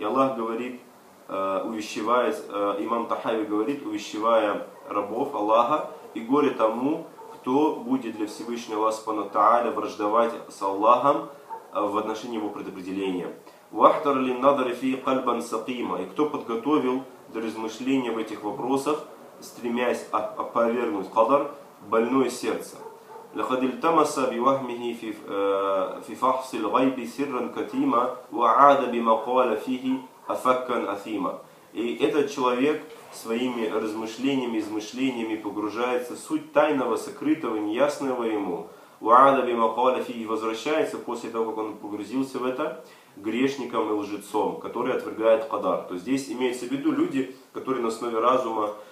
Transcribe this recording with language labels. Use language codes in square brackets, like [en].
[ru] И Аллах говорит, увещевая, имам Тахави говорит, увещевая рабов Аллаха, и горе тому, кто будет для Всевышнего Аллаха Субхану Та'аля враждовать с Аллахом в отношении его предопределения. [ar] وَحْتَرْ لِلنَّظَرِ فِي قَلْبًا سَقِيمًا. [ru] И кто подготовил для размышления в этих вопросах, стремясь опровергнуть Кадр, больное сердце. [ar] لقد التمس بوهمه في فحص الغيب سرا كتيما وعاد بما قال فيه أفكا أثيما. [ru] И этот человек своими размышлениями, измышлениями погружается в суть тайного, сокрытого, неясного ему. [ar] وعاد بما قال فيه, [ru] возвращается после того, как он погрузился в это, грешником и лжецом, который отвергает Кадар. То есть здесь имеется в виду люди, которые на основе разума